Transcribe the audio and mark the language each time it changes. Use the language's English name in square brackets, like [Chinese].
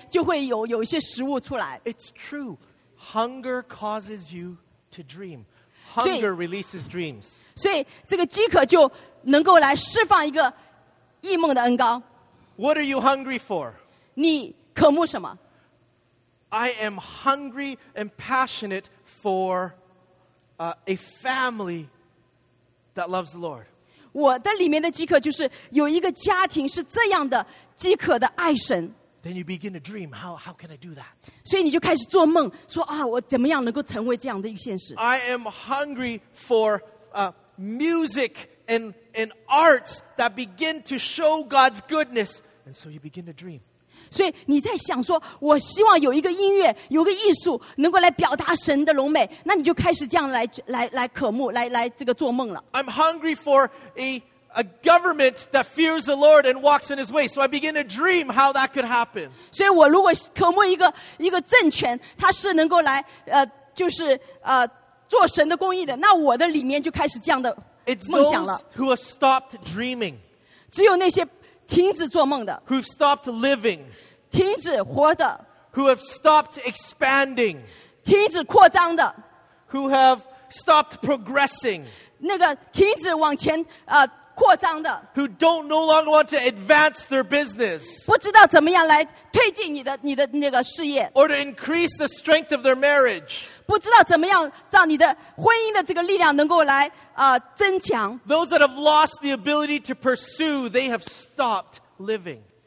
[Chinese] 所以当你上床的时候你还是这样一个饥渴的话你肯定你的梦里面就会有一些食物出来。 [English] It's true. Hunger causes you to dream. Hunger releases dreams. [Chinese] 所以这个饥渴就能够来释放一个异梦的恩膏。 [English] What are you hungry for? [Chinese] 你渴慕什么? [English] I am hungry and passionate for a family that loves the Lord. [Chinese] 我的里面的饥渴就是有一个家庭是这样的饥渴的爱神。 [English] Then you begin to dream, how can I do that? [Chinese] 所以你就开始做梦,说啊,我怎么样能够成为这样的一个现实? [English] I am hungry for music and arts that begin to show God's goodness. And so you begin to dream. [Chinese] 所以你在想说,我希望有一个音乐,有个艺术,能够来表达神的荣美,那你就开始这样来渴慕,来这个做梦了。 [English] I'm hungry for a a government that fears the Lord and walks in his way. So I begin to dream how that could happen. [Chinese] 所以我如果渴慕一个政权，它是能够来，就是做神的公义的，那我的里面就开始这样的。 [English] It's those who have stopped dreaming. [Chinese] 只有那些停止做梦的, [English] who've stopped living. [Chinese] 停止活的, [English] who have stopped expanding. [Chinese] 停止扩张的, [English] who have stopped progressing. [Chinese] 那个停止往前扩张的, [English] who don't no longer want to advance their business. [Chinese] 不知道怎么样来推进你的那个事业, [English] or to increase the strength of their marriage. [Chinese] 不知道怎么样让你的婚姻的这个力量能够来增强。 [English] Those that have lost the ability to pursue, they have stopped living.